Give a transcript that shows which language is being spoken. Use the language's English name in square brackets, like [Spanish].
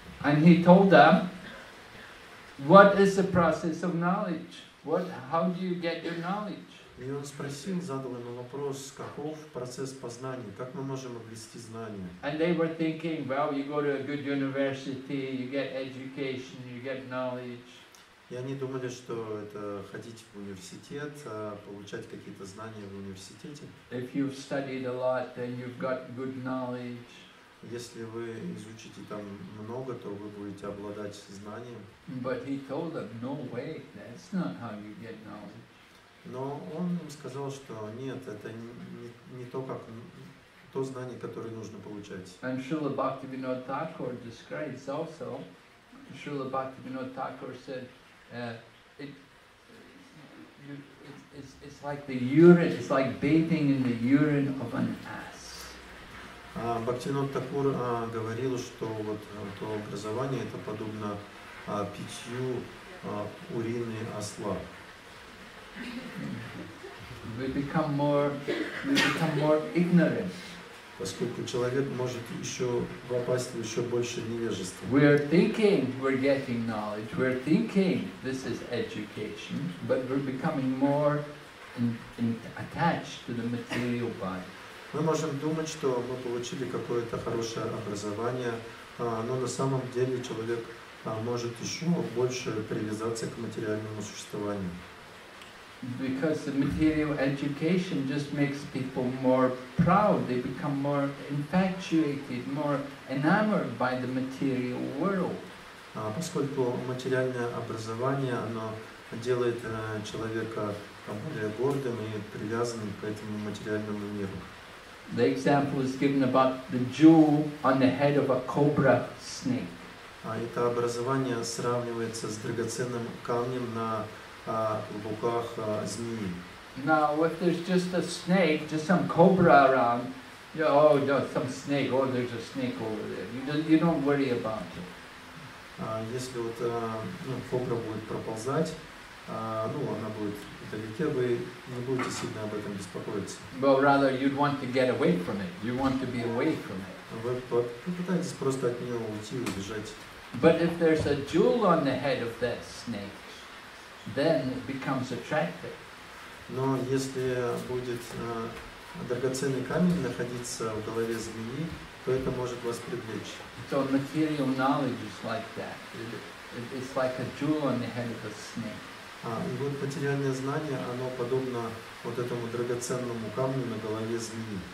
[English] And he told them, what is the process of knowledge? How do you get your knowledge? [Russian] И он спросил, задал ему вопрос, каков процесс познания, как мы можем обрести знания? [English] And they were thinking, well, you go to a good university, you get education, you get knowledge. [Russian] И они думали, что это ходить в университет, получать какие-то знания в университете. [English] If you've studied a lot, then you've got good knowledge. [Russian] Если вы изучите там много, то вы будете обладать знанием. [English] But he told them, no way, that's not how you get knowledge. [Russian] Но он им сказал, что нет, это не то, как то знание, которое нужно получать. [English] And Srila Bhaktivinoda Thakur describes also, Srila Bhaktivinoda Thakur said, it's like the urine. It's like bathing in the urine of an ass. [Russian] Бхактивинода Такур говорил, что вот то образование это подобно питью урины осла. [English] We become more ignorant. [Russian] Поскольку человек может еще попасть в еще больше невежества. [English] We are thinking we're getting knowledge. We're thinking this is education, but we're becoming more attached to the material body. [Russian] Мы можем думать, что мы получили какое-то хорошее образование, но на самом деле человек может еще больше привязаться к материальному существованию. [English] Because the material education just makes people more proud. They become more infatuated, more enamored by the material world. [Russian] Поскольку материальное образование, оно делает человека более гордым и привязанным к этому материальному миру. [English] The example is given about the jewel on the head of a cobra snake. [Russian] Это образование сравнивается с драгоценным камнем на в руках змеи. [English] Now, if there's just a snake, just some cobra around, there's a snake over there. You don't worry about it. [Russian] Если вот кобра будет проползать, она будет вдалеке, вы не будете сильно об этом беспокоиться. [English] But rather you'd want to get away from it. You want to be away from it. [Russian] Вы попытаетесь просто от нее уйти, убежать. [English] But if there's a jewel on the head of that snake, then it becomes attractive. [Russian] Но если будет драгоценный камень находиться в голове змеи, то это может вас привлечь. [English] So material knowledge is like that. It's like a jewel on the head of a snake. [Russian] И вот материальное знание, оно подобно вот этому драгоценному камню на голове змеи.